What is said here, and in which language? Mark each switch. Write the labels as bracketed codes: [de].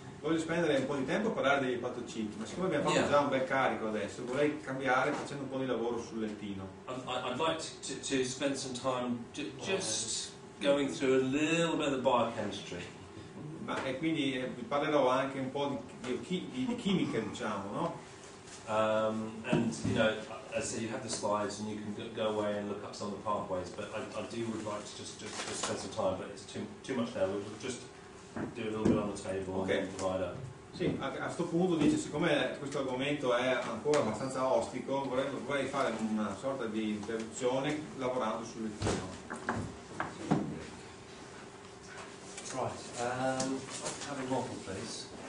[it] voglio spendere un po' di tempo a parlare degli epatociti, ma siccome abbiamo fatto già un bel carico adesso, vorrei cambiare facendo un po' di lavoro sul lettino. [en] I'd like to spend some time just going through a little bit of biochemistry. [it] Ma e quindi vi parlerò anche un po' di chimica, diciamo, no? [en] And you know, as I said, you have the slides and you can go away and look up some of the pathways, but I do would like to just spend some time, but it's too much now. We'll just do a little bit on the table and divide up. [it] Sì, a sto punto dice, siccome questo argomento è ancora abbastanza ostico, vorrei fare una sorta di interruzione lavorando sul lettino. [en] Right, having more please.